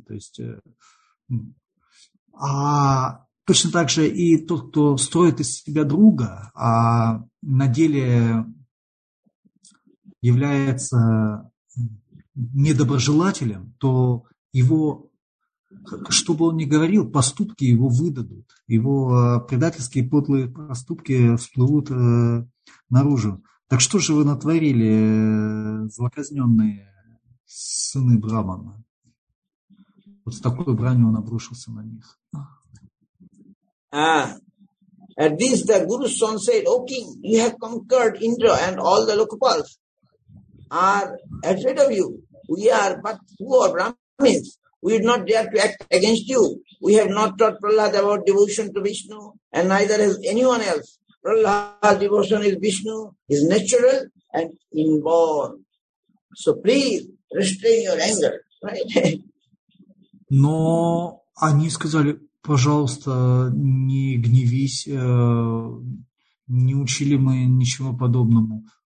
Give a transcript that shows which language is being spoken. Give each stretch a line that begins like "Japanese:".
Russian: То есть, а точно так же и тот, кто строит из себя друга, а на деле является недоброжелателем, то его, что бы он ни говорил, поступки его выдадут, его предательские подлые поступки всплывут наружу. Так что же вы натворили, злоказненные сыны Брамана? Вот с такой бранью он обрушился на них.
English: At this the Guru's son said, O king, you have conquered Indra and all the Lokapals are afraid of you. We are but poor Brahmins. We would not dare to act against you. We have not taught Prahlad about devotion to Vishnu, and neither has anyone else. Prahlad's devotion is Vishnu, is natural and inborn. So please restrain your anger.
Russian: Но они сказали, пожалуйста, не гневись, не учили мы ничего подобному.